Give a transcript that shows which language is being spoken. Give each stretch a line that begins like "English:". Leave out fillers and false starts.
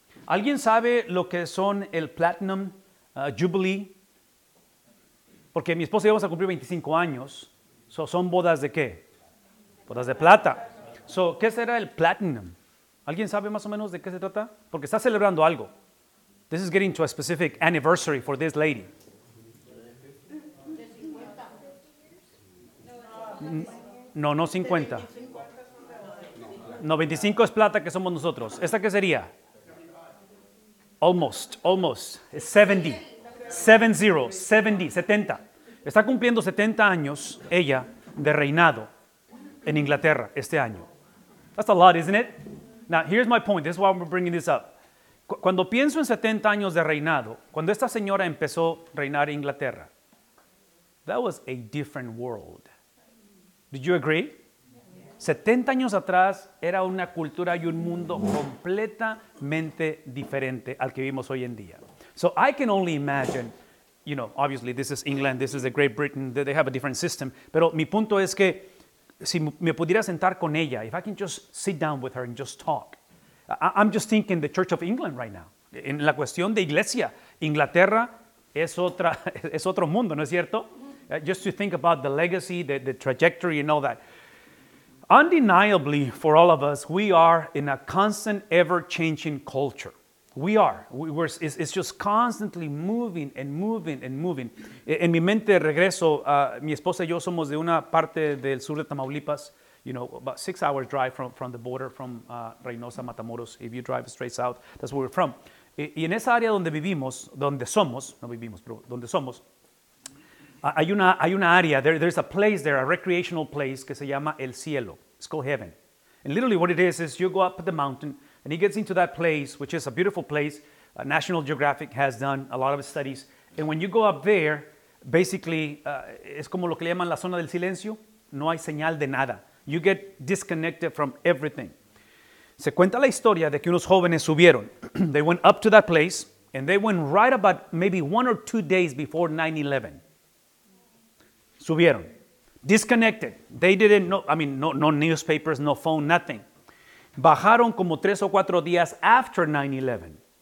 Spanish: ¿Alguien sabe lo que son el Platinum Jubilee? Porque mi esposa y yo vamos a cumplir 25 años. So, ¿son bodas de qué? Bodas de plata. So, ¿qué será el Platinum? ¿Alguien sabe más o menos de qué se trata? Porque está celebrando algo.
English: This is getting to a specific anniversary for this lady.
Spanish: No, no 50. No, 25 es plata que somos nosotros. ¿Esta qué sería?
English: Almost, almost.
Spanish: Es 70. 70, 70, 70. Está cumpliendo 70 años ella de reinado en Inglaterra este año.
English: That's a lot, isn't it? Now, here's my point. This is why I'm bringing this up.
Spanish: Cuando pienso en 70 años de reinado, cuando esta señora empezó a reinar en Inglaterra,
English: that was a different world. Did you agree?
Spanish: 70 años atrás era una cultura y un mundo completamente diferente al que vivimos hoy en día.
English: So I can only imagine, you know, obviously this is England, this is the Great Britain, they have a different system.
Spanish: Pero mi punto es que si me pudiera sentar con ella,
English: if I can just sit down with her and just talk. I'm just thinking the Church of England right now.
Spanish: En la cuestión de iglesia, Inglaterra es otro mundo, ¿no es cierto?
English: Just to think about the legacy, the trajectory and all that. Undeniably, for all of us, we are in a constant, ever-changing culture. We are. It's just constantly moving and moving and moving.
Spanish: En mi mente, regreso, mi esposa y yo somos de una parte del sur de Tamaulipas,
English: you know, about 6 hours drive from the border, from
Spanish: Reynosa, Matamoros.
English: If you drive straight south, that's where we're from.
Spanish: Y en esa área donde vivimos, donde somos, no vivimos, pero donde somos, hay una área,
English: there's a place there, a recreational place,
Spanish: que se llama El Cielo.
English: It's called Heaven. And literally what it is you go up the mountain, and he gets into that place, which is a beautiful place. National Geographic has done a lot of studies. And when you go up there, basically,
Spanish: es como lo que le llaman la zona del silencio. No hay señal de nada.
English: You get disconnected from everything.
Spanish: Se cuenta la historia de que unos jóvenes subieron.
English: They went up to that place, and they went right about maybe 1 or 2 days before 9/11.
Spanish: Subieron.
English: Disconnected. They didn't know, I mean, no newspapers, no phone, nothing.
Spanish: Bajaron como
English: 3 or 4 days after 9/11.